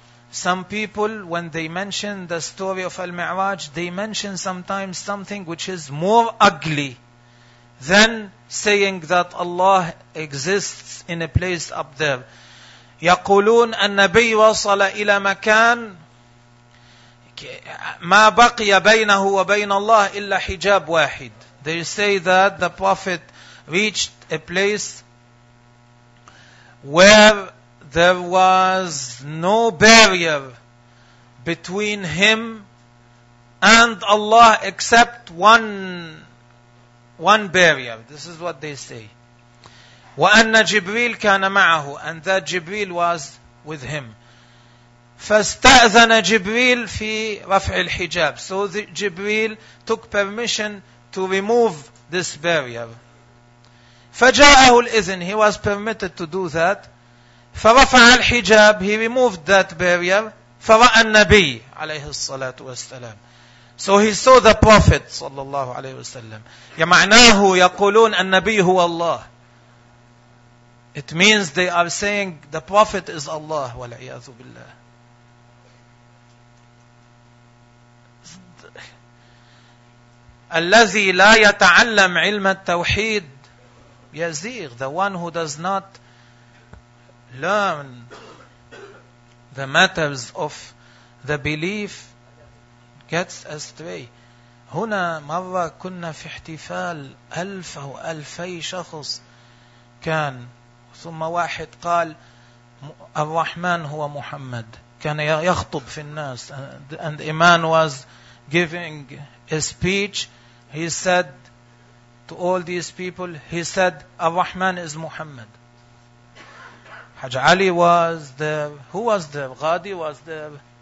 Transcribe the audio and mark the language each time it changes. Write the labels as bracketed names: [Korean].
[English] Some people, when they mention the story of Al-Mi'raj, they mention sometimes something which is more ugly than saying that Allah exists in a place up there. [Arabic] يقولون النبي وصل إلى مكان ما بقي بينه وبين الله إلا حجاب واحد. [English] They say that the Prophet reached a place where there was no barrier between him and Allah except one barrier. This is what they say. [Arabic] وأن جبريل كان معه. [English] And that جبريل was with him. [Arabic] فاستأذن جبريل في رفع الحجاب. [English] So جبريل took permission to remove this barrier. [Arabic] فجاءه الإذن. [English] He was permitted to do that. [Arabic] فرفع الحجاب. [English] He removed that barrier. [Arabic] فرأى النبي عليه الصلاة والسلام. [English] So he saw the Prophet [Arabic] صلى الله عليه وسلم. يمعناه يقولون النبي هو الله. [English] It means they are saying the Prophet is Allah. [Arabic] والعياذ بالله. الذي لا يتعلم علم التوحيد يزيغ. [English] The one who does not learn the matters of the belief gets astray. [Arabic] هنا مرة كنا في احتفال ألف أو ألفي شخص كان. ثم واحد قال الرحمن هو محمد. كان يخطب في الناس. [English] And a man was giving a speech. He said to all these people, he said, Ar-Rahman is Muhammad. Haj Ali was there. Who was there? Ghadi was there.